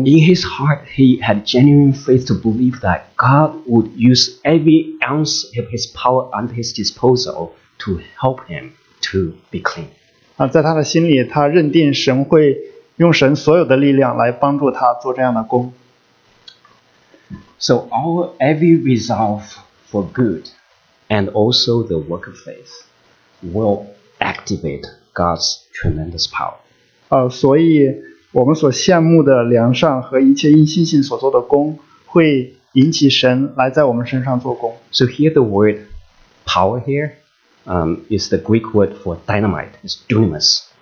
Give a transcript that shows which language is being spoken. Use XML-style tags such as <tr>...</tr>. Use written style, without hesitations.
<en>in his heart, he had genuine faith to believe that God would use every ounce of his power under his disposal to help him to be clean.</en> <zh>在他的心里，他认定神会用神所有的力量来帮助他做这样的功。</zh> <en>So our every resolve for good and also the work of faith will activate God's tremendous power.</en> <zh>所以 我们所羡慕的良善和一切因信心所做的功，会引起神来在我们身上做工。</zh> <en>So here the word power here is the Greek word for dynamite, it's dunamis.</en>